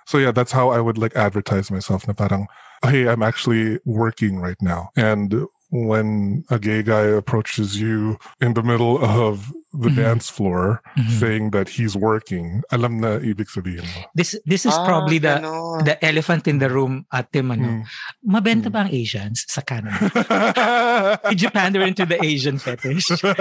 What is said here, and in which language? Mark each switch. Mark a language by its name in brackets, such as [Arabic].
[English] So yeah, that's how I would like advertise myself. [Filipino] Na parang, [English] hey, I'm actually working right now. And when a gay guy approaches you in the middle of the dance floor saying that he's working, [Filipino] alam na ibig sabihin mo. [English] This is probably the elephant in the room, ate manu. [Filipino] Mabenta ba ang Asians sa Canada? [English] Did you pander into the Asian fetish?